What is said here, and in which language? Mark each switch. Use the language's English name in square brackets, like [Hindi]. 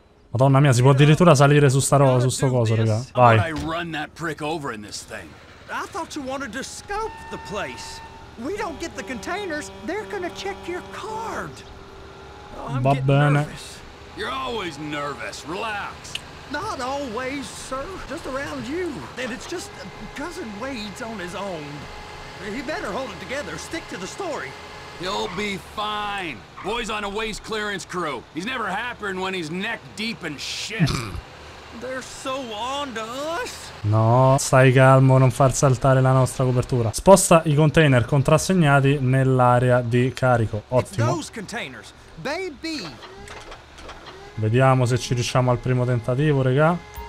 [Italian] Madonna mia, si può addirittura salire su sta roba, su sto coso, raga. Vai. [English] I run that prick over in this thing. I thought you wanted to scope the place. We don't get the containers, they're gonna check your card. [Italian] Va bene. [English] Nervous. You're always nervous. Relax. Not always, sir. Just around you. And it's just Cousin Wade's on his own. He better hold it together. Stick to the story. He'll be fine. Boy's on a waste clearance crew. He's never happier than when he's neck deep in shit. They're so on to us. [Italian] No, stai calmo, non far saltare la nostra copertura. Sposta i container contrassegnati nell'area di carico. Ottimo. [English] Those containers. Baby. [Italian] Vediamo se ci riusciamo al primo tentativo, regà.